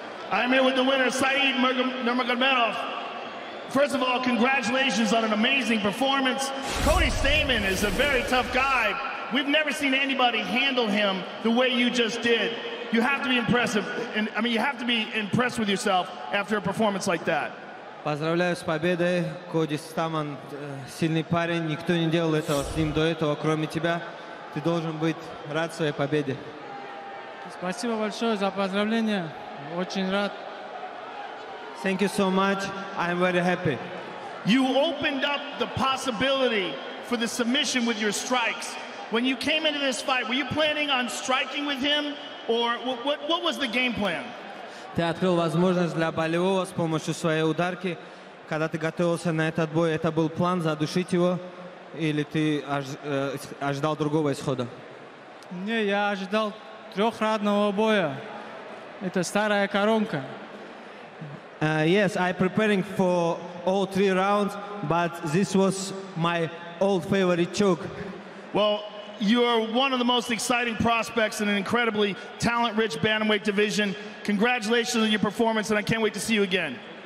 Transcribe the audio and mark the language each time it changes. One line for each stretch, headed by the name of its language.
English: I'm here with the winner, Saeed Nurmagomedov. First of all, congratulations on an amazing performance. Cody Stamman is a very tough guy. We've never seen anybody handle him the way you just did. You have to be impressive, and I mean, you have to be impressed with yourself after a performance like that.
Russian: Поздравляю с победой, Коди Стамман, сильный парень. Никто не делал этого с ним до этого, кроме тебя. Ты должен быть рад своей победе. Спасибо большое за поздравления. Очень рад.
English: Thank you so much. I'm very happy. You opened up the possibility for the submission with your strikes. When you came into this fight, were you planning on striking with him, or what was the game plan?
Russian: Ты открыл возможность для болевого с помощью своей ударки. Когда ты готовился на этот бой, это был план задушить его, или ты ожидал другого исхода? Не, я ожидал трехрадного боя. Это старая коронка.
English: Yes, I'm preparing for all three rounds, but this was my old favorite choke. Well, you're one of the most exciting prospects in an incredibly talent-rich bantamweight division. Congratulations on your performance, and I can't wait to see you again.